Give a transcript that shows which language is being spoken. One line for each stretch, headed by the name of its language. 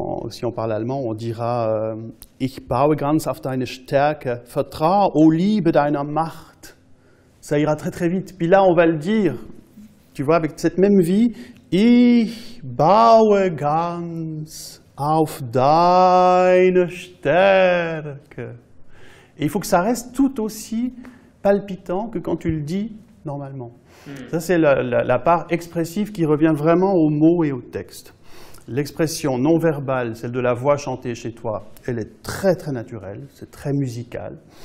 French: Si on parle allemand, on dira «
German: Ich baue ganz auf deine Stärke, vertraue au Liebe deiner Macht ».
French: Ça ira très très vite. Puis là, on va le dire, tu vois, avec cette même vie.
German: Ich baue ganz auf deine Stärke.
French: Et il faut que ça reste tout aussi palpitant que quand tu le dis normalement. Ça, c'est la part expressive qui revient vraiment aux mots et aux textes. L'expression non verbale, celle de la voix chantée chez toi, elle est très très naturelle, c'est très musical.